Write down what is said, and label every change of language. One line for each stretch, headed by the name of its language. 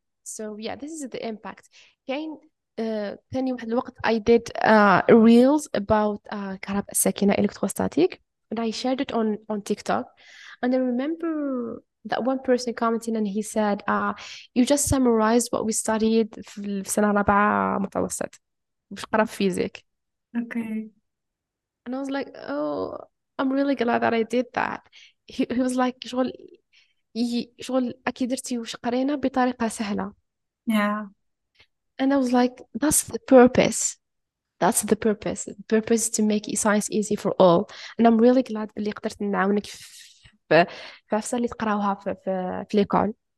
English: So yeah, this is the impact. كاين ثاني واحد الوقت I did reels about
Arabic: كهرباء الساكنة
English: electrostatic and I shared it on TikTok and I remember that one person commented and he said you just summarized what we studied
Arabic: في السنة الرابعة متوسط مش قرا في فيزيك.
English: Okay. And I was like, oh, I'm really glad that I did that. He was like,
Arabic: شغل شغل أكيد درتي وش قرينا بطريقة سهلة.
English: Yeah. And I was like, that's the purpose. That's the purpose. The purpose is to make science easy for all. And I'm really glad
Arabic: باللي قدرت نعاونك في عفسة اللي تقراوها في ليكول.